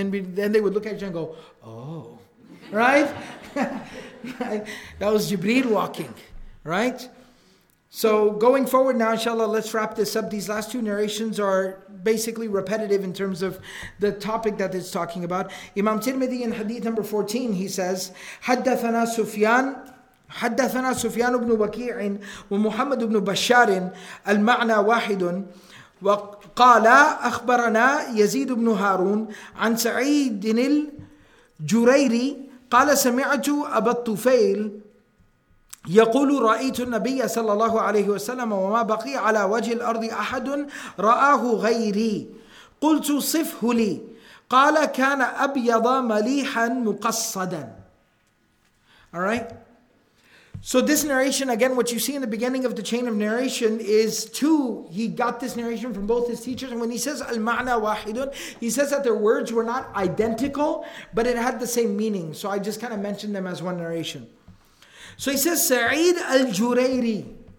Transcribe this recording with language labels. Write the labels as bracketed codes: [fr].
[en] And then they would look at you and go, "Oh." Right? That was Jibreel walking. Right? So going forward now, inshallah, let's wrap this up. These last two narrations are basically repetitive in terms of the topic that it's talking about. Imam Tirmidhi in hadith number 14, he says, [ar] حَدَّثَنَا سُفْيَانُ بْنُ بَكِيعٍ وَمُحَمَّدُ بْنُ بَشَّارٍ الْمَعْنَى وَاحِدٌ وَقَالَ أَخْبَرَنَا يَزِيدُ بْنُ هَارُونَ عَنْ سَعِيدٍ الْجُرَيْرِ قَالَ سَمِعَتُ أَبَا الطُّفَيْلِ يقول رأيت النبي صلى الله عليه وسلم وما بقي على وجه الأرض أحد رآه غيري قلت صفه لي قال كان أبيض مليحا مقصدا. [en] Alright, so this narration, again, what you see in the beginning of the chain of narration is two. He got this narration from both his teachers, and when he says al-ma'na wahidun, he says that their words were not identical, but it had the same meaning. So I just kind of mentioned them as one narration. So he says, Sa'id al-Jurayri.